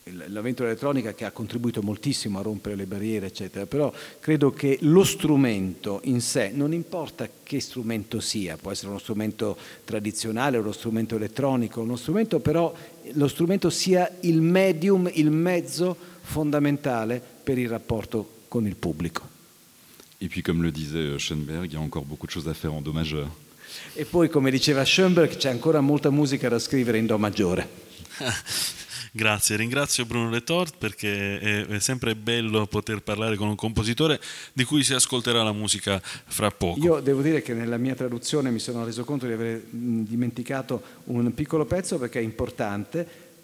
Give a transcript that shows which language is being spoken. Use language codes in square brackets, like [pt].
[it] l'avvento dell'elettronica che ha contribuito moltissimo a rompere le barriere, eccetera, però credo che lo strumento in sé, non importa che strumento sia, può essere uno strumento tradizionale, uno strumento elettronico, uno strumento, però lo strumento sia il medium, il mezzo fondamentale per il rapporto con il pubblico. [fr] Et puis comme le disait Schoenberg, il y a encore beaucoup de choses à faire en do majeur. [it] E poi come diceva Schoenberg, c'è ancora molta musica da scrivere in do maggiore. Grazie, ringrazio Bruno Letort perché è sempre bello poter parlare con un compositore di cui si ascolterà la musica fra poco. Io devo dire che nella mia traduzione mi sono reso conto di aver dimenticato un piccolo pezzo perché è importante.